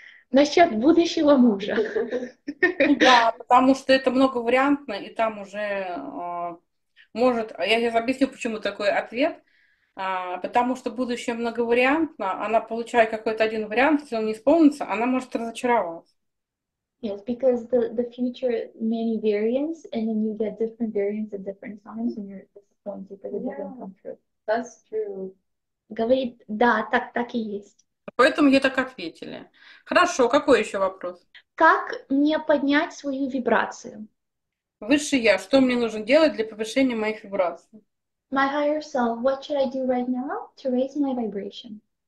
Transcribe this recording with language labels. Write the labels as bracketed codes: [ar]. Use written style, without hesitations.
[ru] Насчет будущего мужа. Да, потому что это многовариантно, и там уже может. Я сейчас объясню, почему такой ответ. Потому что будущее многовариантно, она получает какой-то один вариант, если он не исполнится, она может разочароваться. [en] Yes, because the future many variants, and then you get different variants at different times, and you're disappointed that it doesn't come true. That's true. [ru] Говорит, да, так и есть. Поэтому ей так ответили. Хорошо, какой еще вопрос? Как мне поднять свою вибрацию? Выше я, что мне нужно делать для повышения моих вибраций? [en] My higher self, what should I do right now to raise my vibration?